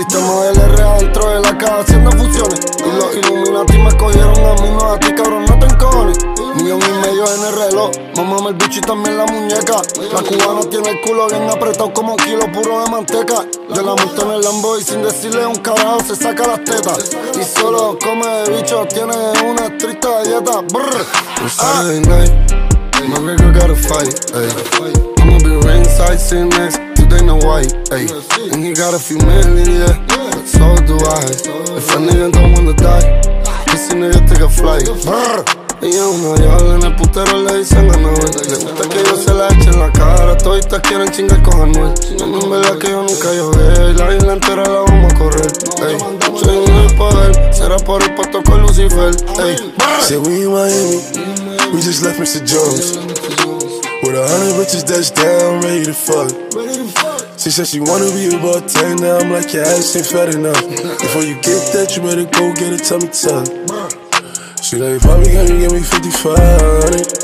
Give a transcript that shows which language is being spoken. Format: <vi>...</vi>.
<es>El sistema del R adentro de la caja haciendo fusiones. Y los Illuminati me cogieron a mí, no a ti, cabrón, no te encojones. Millón y medio en el reloj. Mámame el bicho y también la muñeca. La cubana tiene el culo bien apretado como kilo puro de manteca. Yo la monto en el Lambo y sin decirle un carajo se saca las tetas. Y solo come de bicho, tiene una estricta dieta.</es> <en>On Saturday night, my girl got a fight, ayy. I'ma be ringside sitting next to Dana White, ayy. And he got a few million, yeah, but so do I. If a nigga don't wanna die, this nigga take a flight. Brr.</en> <es>Ella es una diabla, en el putero le dicen a Noel. Le gusta que yo se la eche en la cara. Toditas quieren chingar con Anuel. No, en verdad que yo nunca llogué. La isla entera la vamos a correr. Ey, soy un del poder. Será por el pato con Lucifer. Ey,</es> <en>say we in Miami, we just left Mr. Jones. With 100 bitches that's down, ready to fuck. She said she wanna be a bartender. I'm like, your ass ain't fat enough. Before you get that, you better go get a tummy tuck. She like, probably got you, give me 5,500.</en>